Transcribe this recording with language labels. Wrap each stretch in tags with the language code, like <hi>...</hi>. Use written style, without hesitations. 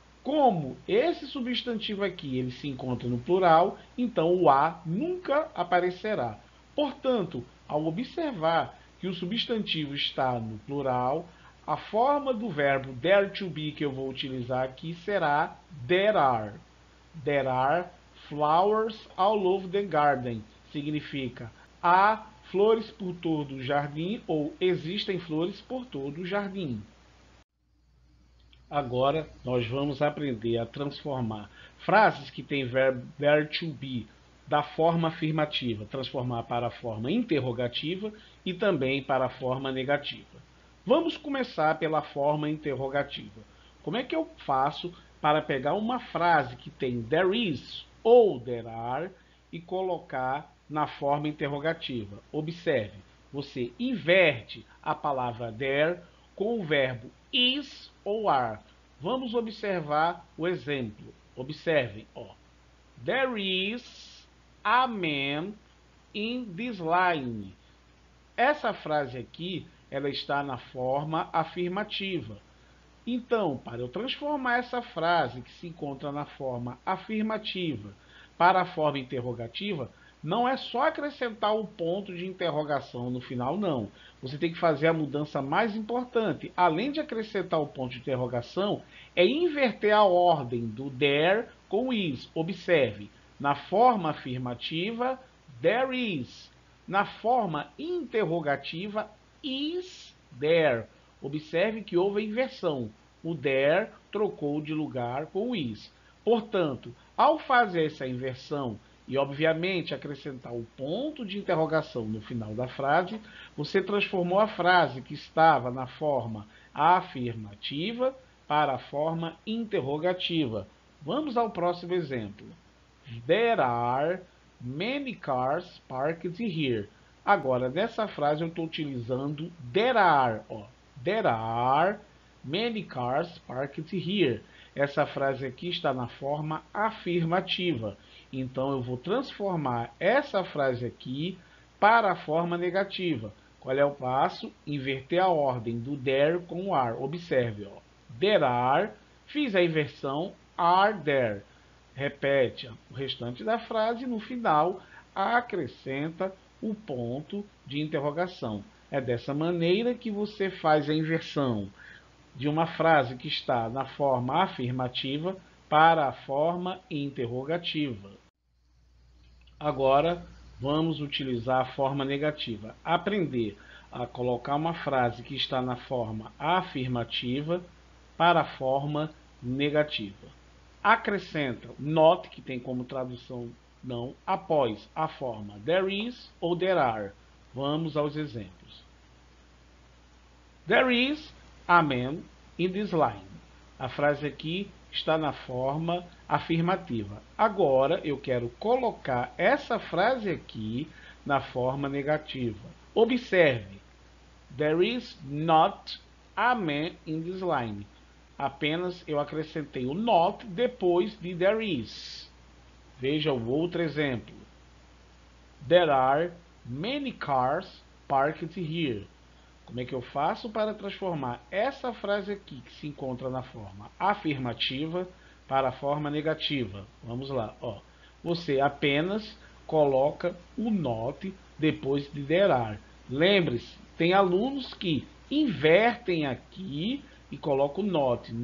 <pt>Como esse substantivo aqui ele se encontra no plural, então o a nunca aparecerá. Portanto, ao observar que o substantivo está no plural, a forma do verbo there to be que eu vou utilizar aqui será there are.</pt> <en>There are flowers all over the garden.</en> <pt>Significa há flores por todo o jardim ou existem flores por todo o jardim. Agora nós vamos aprender a transformar frases que têm verbo there to be da forma afirmativa, transformar para a forma interrogativa e também para a forma negativa. Vamos começar pela forma interrogativa. Como é que eu faço para pegar uma frase que tem there is ou there are e colocar na forma interrogativa? Observe, você inverte a palavra there com o verbo is ou are. Vamos observar o exemplo. Observe, ó.</pt> <en>There is a man in this line.</en> <pt>Essa frase aqui, ela está na forma afirmativa. Então, para eu transformar essa frase que se encontra na forma afirmativa para a forma interrogativa, não é só acrescentar o ponto de interrogação no final, não. Você tem que fazer a mudança mais importante. Além de acrescentar o ponto de interrogação, é inverter a ordem do there com is. Observe, na forma afirmativa, there is. Na forma interrogativa, is there. Observe que houve a inversão. O there trocou de lugar com o is. Portanto, ao fazer essa inversão e, obviamente, acrescentar o ponto de interrogação no final da frase, você transformou a frase que estava na forma afirmativa para a forma interrogativa. Vamos ao próximo exemplo.</pt> <en>There are many cars parked here.</en> <pt>Agora, nessa frase, eu estou utilizando there are, ó.</pt> <en>There are many cars parked here.</en> <pt>Essa frase aqui está na forma afirmativa. Então, eu vou transformar essa frase aqui para a forma negativa. Qual é o passo? Inverter a ordem do there com o are. Observe, ó.</pt> <en>There are,</en> <pt>fiz a inversão,</pt> <en>are there.</en> <pt>Repete o restante da frase e no final acrescenta o ponto de interrogação. É dessa maneira que você faz a inversão de uma frase que está na forma afirmativa para a forma interrogativa. Agora vamos utilizar a forma negativa. Aprender a colocar uma frase que está na forma afirmativa para a forma negativa. Acrescenta, note que tem como tradução não após a forma there is ou there are. Vamos aos exemplos.</pt> <en>There is a man in this line.</en> <pt>A frase aqui está na forma afirmativa. Agora eu quero colocar essa frase aqui na forma negativa. Observe.</pt> <en>There is not a man in this line.</en> <pt>Apenas eu acrescentei o not depois de there is. Veja o outro exemplo.</pt> <en>There are many cars parked here.</en> <pt>Como é que eu faço para transformar essa frase aqui, que se encontra na forma afirmativa, para a forma negativa? Vamos lá, ó. Você apenas coloca o not depois de there are. Lembre-se, tem alunos que invertem aqui e colocam not.</pt>